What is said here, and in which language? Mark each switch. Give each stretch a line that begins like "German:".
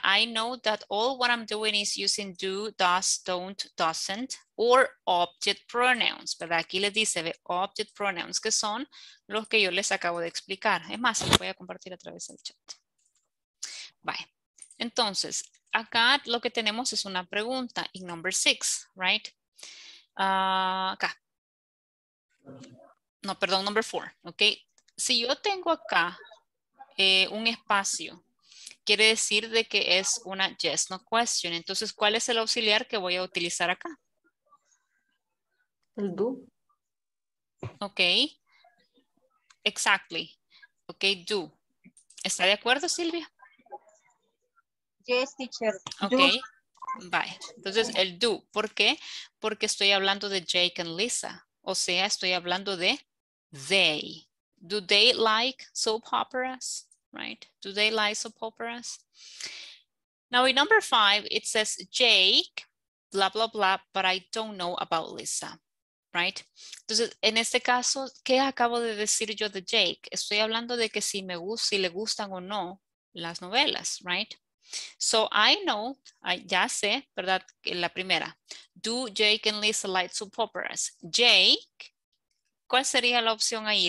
English: I know that all what I'm doing is using do, does, don't, doesn't, or object pronouns, ¿verdad?
Spanish: Aquí les dice the object pronouns, que son los que yo les acabo de explicar. Es más, les voy a compartir a través del chat. Bye. Entonces, acá lo que tenemos es una pregunta
English: in number 6, right?
Spanish: Acá. No, perdón, number 4, ok. Si yo tengo acá un espacio, quiere decir de que es una
English: yes, no question.
Spanish: Entonces, ¿cuál es el auxiliar que voy a utilizar acá? El do.
English: Ok. Exactly. Ok, do.
Spanish: ¿Está de acuerdo, Silvia?
English: Yes, teacher.
Spanish: Ok. Bye. Entonces, el do. ¿Por qué? Porque estoy hablando de Jake and Lisa. O sea, estoy hablando de they.
English: Do they like soap operas? Right? Do they like soap operas? Now, in number 5, it says Jake, blah, blah, blah, but I don't know about Lisa. Right?
Spanish: Entonces, en este caso, ¿qué acabo de decir yo de Jake? Estoy hablando de que si me gusta, si le gustan o no las novelas, right?
English: So I know,
Spanish: ya sé, ¿verdad? La primera.
English: Do Jake and Lisa like soap operas? Jake,
Spanish: ¿cuál sería la opción ahí?